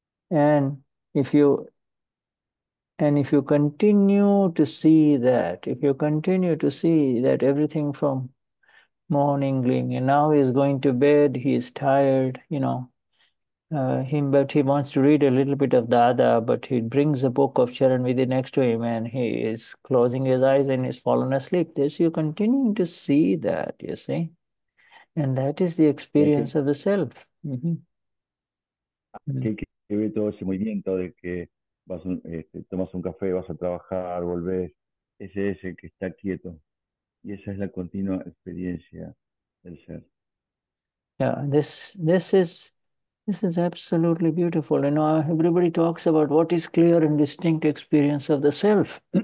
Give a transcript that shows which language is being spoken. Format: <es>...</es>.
<en>And if you continue to see that, if you continue to see that everything from morning, and now he's going to bed, he's tired, you know, but he wants to read a little bit of Dada, but he brings a book of Charanvidhi next to him and he is closing his eyes and he's fallen asleep. This, you're continuing to see that, you see? And that is the experience of the self.</en> <es>Que ve todo ese movimiento de que vas tomas un café, vas a trabajar, volvés. Ese es el que está quieto. Y esa es la continua experiencia del ser.</es> <en>Yeah, this is absolutely beautiful. You know, everybody talks about what is clear and distinct experience of the self.</en>